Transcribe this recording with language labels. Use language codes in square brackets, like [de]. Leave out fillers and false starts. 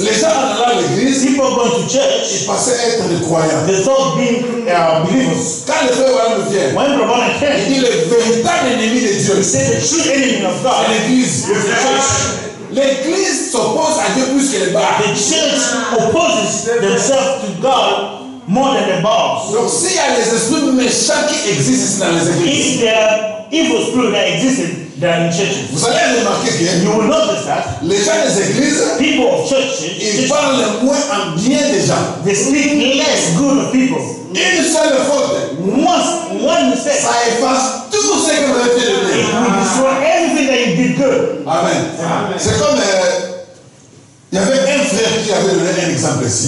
[fr] Les gens allaient à l'église. [en] People going to church. [fr] Ils passaient être des croyants. [en] They thought being believers. [fr] Quand le frère Branham vient, [en] when Babylon came, [fr] il est le véritable ennemi. [en] He said the true enemy of God. [fr] L'église. [en] The church. [fr] L'église s'oppose à Dieu plus que les bars. [en] The church opposes themselves to God more than the bars. [fr] Donc s'il y a les esprits méchants qui existent dans les églises. [en] If there are evil spirits that existed, they are in churches. [fr] Vous allez remarquer que [en] you will notice that [fr] les gens des églises, [en] people of churches, [fr] ils parlent moins en bien des gens. [en] They speak less good of people. [fr] Une seule faute. [en] One mistake. [fr] Ça efface tout ce que vous avez fait de bien. [en] It will destroy everything that you did good. Amen. [fr] C'est comme il y avait un frère qui avait donné un exemple ici.